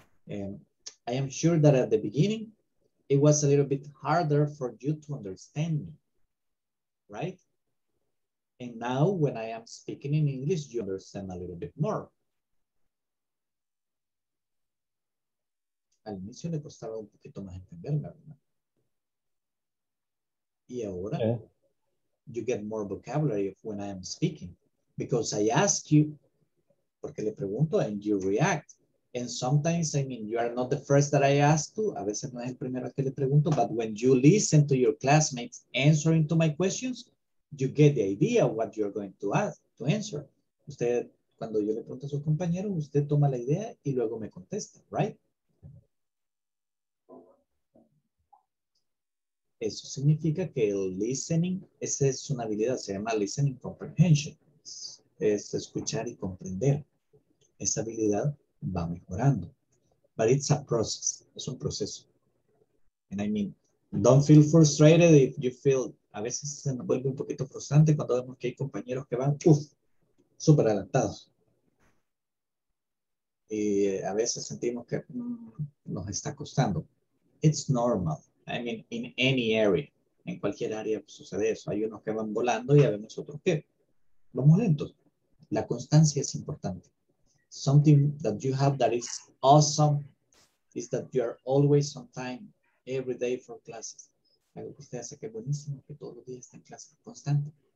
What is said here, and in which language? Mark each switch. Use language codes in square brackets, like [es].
[en] I am sure that at the beginning, it was a little bit harder for you to understand me, right? And now when I am speaking in English, you understand a little bit more. [es] Al inicio le costaba un poquito más entenderme, ¿verdad? Y ahora, [en] you get more vocabulary of when I am speaking. Because I ask you, [es] porque le pregunto, [en] and you react. And sometimes, I mean, you are not the first that I ask to. [es] A veces no es el primero que le pregunto. [en] But when you listen to your classmates answering to my questions, you get the idea of what you're going to ask, to answer. [es] Usted, cuando yo le pregunto a su compañero, usted toma la idea y luego me contesta, right? Eso significa que el listening, esa es una habilidad, se llama listening comprehension. Es escuchar y comprender. Esa habilidad va mejorando. [en] But it's a process. [es] Es un proceso. [en] And I mean, don't feel frustrated if you feel, [es] a veces se nos vuelve un poquito frustrante cuando vemos que hay compañeros que van, uff, súper adelantados. Y a veces sentimos que nos está costando. [en] It's normal. I mean, in any area, [es] en cualquier área sucede eso. Hay unos que van volando y habemos otros que vamos lentos. La constancia es importante. [en] Something that you have that is awesome is that you are always on time, every day for classes. [es] Algo que usted hace que es buenísimo, que todos los días está en clase constante.